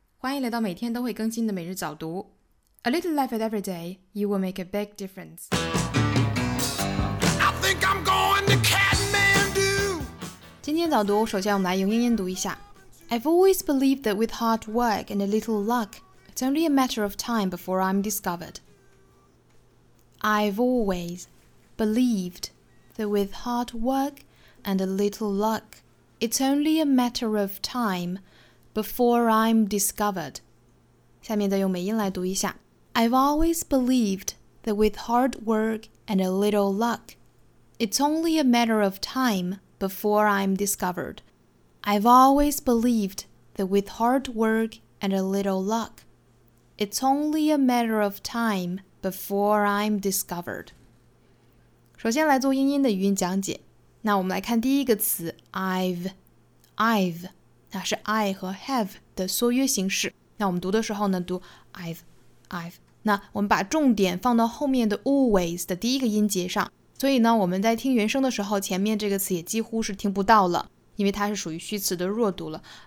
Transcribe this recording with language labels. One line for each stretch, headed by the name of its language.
Chinese: 欢迎来到每天都会更新的每日早读。
English: A little life at every day, you will make a big difference. I think I'm going to Kathmandu.
Chinese: 今天早读，首先我们来用英音读一下。
English: I've always believed that with hard work and a little luck, it's only a matter of time before I'm discovered. I've always believed that with hard work and a little luck,It's only a matter of time before I'm discovered.
Chinese: 下面再用美音来读一下。
English: I've always believed that with hard work and a little luck, it's only a matter of time before I'm discovered. I've always believed that with hard work and a little luck, it's only a matter of time before I'm discovered.
Chinese: 首先来做英音的语音讲解。那我们来看第一个词 I've 那是 I 和 have 的缩约形式，那我们读的时候呢读 I've 那我们把重点放到后面的 always 的第一个音节上，所以呢我们在听原声的时候前面这个词也几乎是听不到了，因为它是属于虚词的弱读了。